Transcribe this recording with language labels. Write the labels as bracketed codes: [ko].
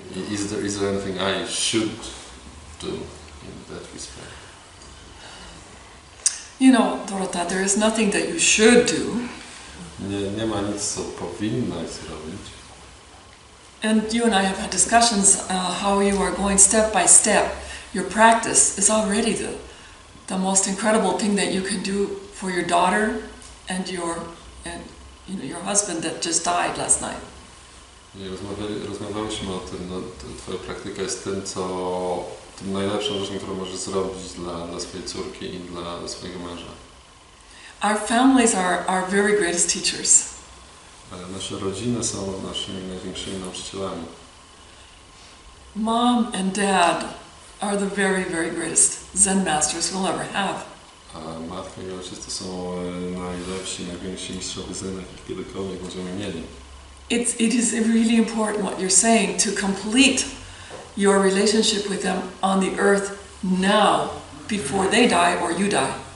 [en] Is there anything I should do in that respect? You know, Dorota, there is nothing that you should do. [pl] Nie ma nic, co powinnaś robić. [en] And you and I have had discussions how you are going step by step. Your practice is already the most incredible thing that you can do for your daughter and your husband that just died last night. [pl] Nie, rozmawialiśmy o tym. No, twoja praktyka jest tym najlepszą rzeczą, którą możesz zrobić dla swojej córki i dla swojego męża. [en] Our families are our very greatest teachers. [pl] Nasze rodziny są naszymi największymi nauczycielami. [en] Mom and dad are the very, very greatest Zen masters we'll ever have. [pl] Matka i ojciec to są najlepsi, najwięksi mistrzowie Zen, jakich kiedykolwiek będziemy mieli. [en] It is really important what you're saying to complete your relationship with them on the earth now, before they die or you die.